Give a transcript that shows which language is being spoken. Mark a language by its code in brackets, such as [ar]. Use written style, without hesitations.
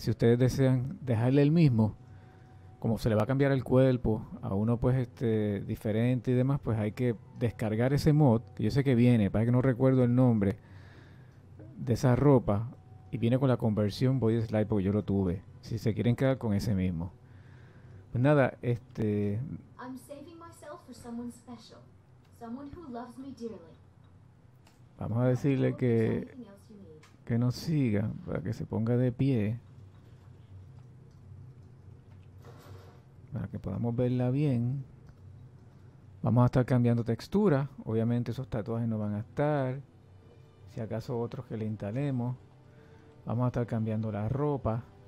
[es] Si ustedes desean dejarle el mismo, como se le va a cambiar el cuerpo a uno, pues diferente y demás, pues hay que descargar ese mod, que yo sé que viene, para que no recuerdo el nombre de esa ropa, y viene con la conversión body slice, porque yo lo tuve. Si se quieren quedar con ese mismo, pues nada, [en] I'm saving myself for someone special. Someone who loves me dearly. [es] vamos a [en] Now, tell [es] decirle [en] him if there's anything else you need. [es] que nos siga para que se ponga de pie, para que podamos verla bien. Vamos a estar cambiando textura. Obviamente esos tatuajes no van a estar. Si acaso otros que le instalemos. Vamos a estar cambiando la ropa.